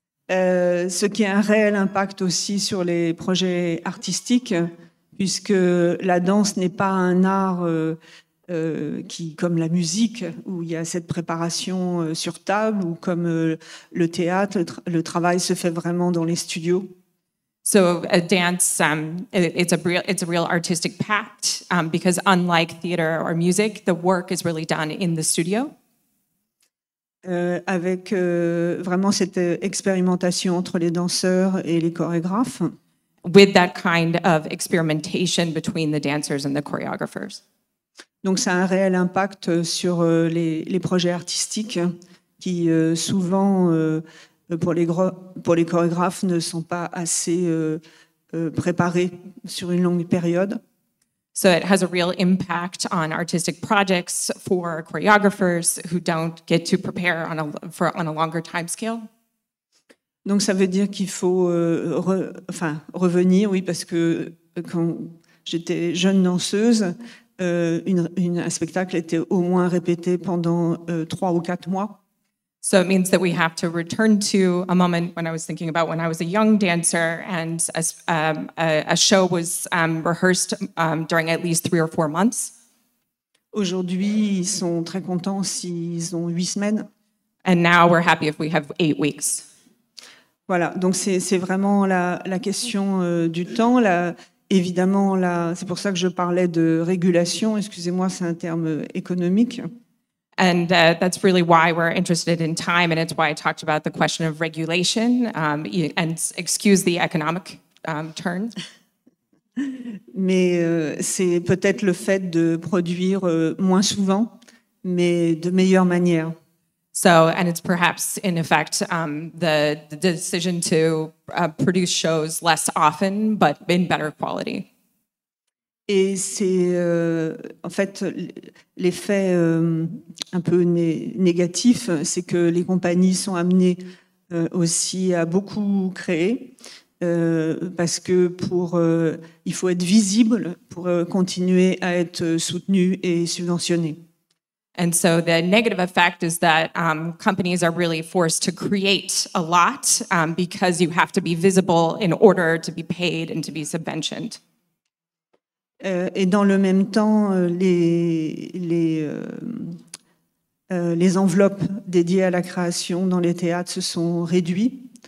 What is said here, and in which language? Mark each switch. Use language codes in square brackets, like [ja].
[fr] Ce qui a un réel impact aussi sur les projets artistiques. Puisque la danse n'est pas un art qui, comme la musique, où il y a cette préparation sur table, ou comme le théâtre, le travail se fait vraiment dans les studios. [en] So a dance, it's a real artistic pact, because unlike theater or music, the work is really done in the studio. [fr] Avec vraiment cette expérimentation entre les danseurs et les chorégraphes. [en] With that kind of experimentation between the dancers and the choreographers. [fr] Donc ça a un réel impact sur les projets artistiques qui souvent pour les chorégraphes ne sont pas assez préparés sur une longue période. [en] So it has a real impact on artistic projects for choreographers who don't get to prepare on a longer time scale. [fr] Donc ça veut dire qu'il faut revenir, oui, parce que quand j'étais jeune danseuse, un spectacle était au moins répété pendant 3 ou 4 mois. [en] So it means that we have to return to a moment when I was thinking about when I was a young dancer and a show was rehearsed during at least 3 or 4 months. [fr] Aujourd'hui, ils sont très contents s'ils ont 8 semaines. And now we're happy if we have 8 weeks. Voilà, donc c'est vraiment la question du temps. Évidemment, c'est pour ça que je parlais de régulation. Excusez-moi, c'est un terme économique. [en] And that's really why we're interested in time, and it's why I talked about the question of regulation, and excuse the economic turn. [fr] Mais c'est peut-être le fait de produire moins souvent, mais de meilleure manière. [en] So, and it's perhaps, in effect, the decision to produce shows less often, but in better quality. [fr] Et c'est, en fait, l'effet un peu négatif, c'est que les compagnies sont amenées aussi à beaucoup créer, parce que il faut être visible pour continuer à être soutenu et subventionné. [en] And so the negative effect is that companies are really forced to create a lot because you have to be visible in order to be paid and to be subventioned. [fr] Et dans le même temps, les enveloppes dédiées à la création dans les théâtres se sont réduites.